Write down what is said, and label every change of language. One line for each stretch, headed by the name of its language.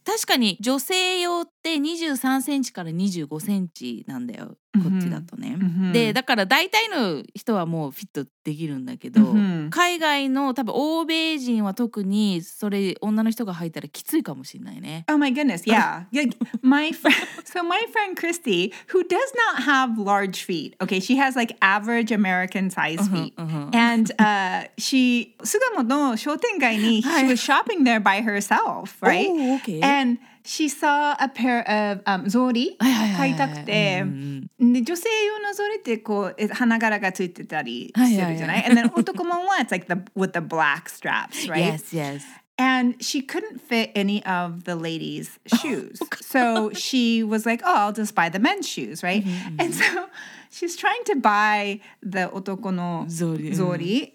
Japanese: 確かに女性用って23センチから25センチなんだよ。こっちだとね。で、だから大体の人はもうフィットできるんだけど、海外の多分欧米人は特にそれ女の人が履いたらきついかもしれないね。
English: Oh my goodness, yeah. My friend, so my friend Christy, who does not have large feet, okay, she has like average American size feet. And she,
Japanese: Sugamo no shotengai ni,
English: she was shopping there by herself, right? Oh, okay. And she saw a pair of zori,
Japanese: kaitakute. で、女性用のゾリってこう花柄がついてたりするじゃない?
English: And then
Japanese: 男もんは,
English: it's like the with the black straps, right? Yes, yes. And she couldn't fit any of the ladies' shoes. So she was like, oh, I'll just buy the men's shoes, right? And so she's trying to buy the
Japanese: otoko no zori.